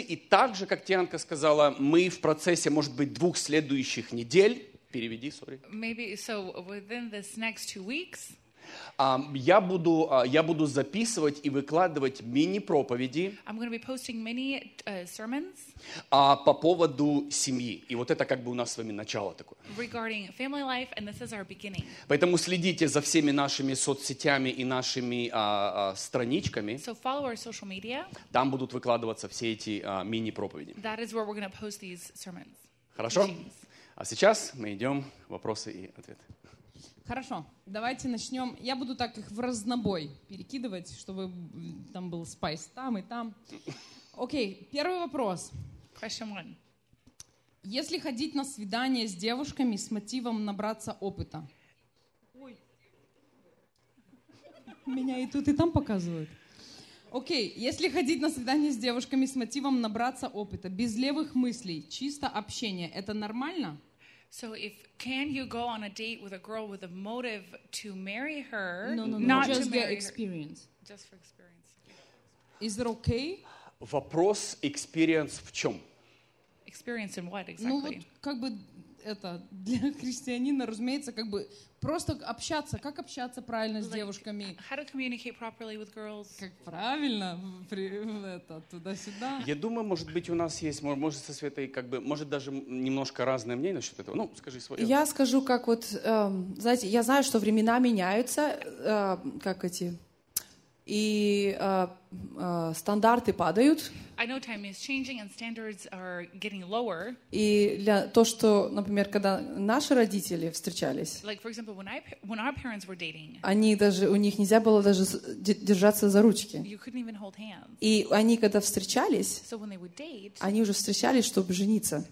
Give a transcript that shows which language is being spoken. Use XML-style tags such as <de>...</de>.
<ru>И также, как Тианка сказала, мы в процессе, может быть, двух следующих недель. Переведи, sorry.</ru> <en>Maybe so within this next 2 weeks.</en> <ru>Я буду записывать и выкладывать мини-проповеди.</ru> <en>I'm going to be posting mini sermons.</en> <ru>По поводу семьи. И вот это у нас с вами начало такое.</ru> <en>Regarding family life, and this is our beginning.</en> <ru>Поэтому следите за всеми нашими соцсетями и нашими страничками.</ru> <en>So follow our social media.</en> <ru>Там будут выкладываться все эти мини-проповеди.</ru> <en>That is where we're going to post these sermons.</en> <ru>Хорошо. А сейчас мы идем вопросы и ответы. Хорошо, давайте начнем. Я буду так их в разнобой перекидывать, чтобы там был спайс там и там. Окей, первый вопрос.</ru> <en>Question one.</en> <ru>Если ходить на свидания с девушками с мотивом набраться опыта. Ой. Меня и тут, и там показывают. Окей, если ходить на свидания с девушками с мотивом набраться опыта, без левых мыслей, чисто общение, это нормально?</ru> <en>So if can you go on a date with a girl with a motive to marry her, not just to get experience. Her, just for experience. Is it okay?</en> <ru>Вопрос experience в чем?</ru> <en>Experience in what exactly?</en> <ru>Ну вот как бы это для христианина, разумеется, как бы просто общаться, как общаться правильно с девушками?</ru> <en>How to communicate properly with girls?</en> <ru>Как правильно это туда-сюда? Я думаю, может быть, у нас есть, может, со Светой как бы, может, даже немножко разное мнение насчет этого. Ну, скажи свое. Я скажу, как вот, знаете, я знаю, что времена меняются, как эти. И стандарты падают.</ru> <en>I know time is changing and standards are getting lower.</en> <ru>И для то, что, например, когда наши родители встречались,</ru> <en>like, for example, when our parents were dating,</en> <ru>они даже, у них нельзя было даже держаться за ручки.</ru> <en>You couldn't even hold hands.</en> <ru>И они, когда встречались,</ru> <en>so when they would date,</en> <ru>они уже встречались, чтобы жениться.</ru>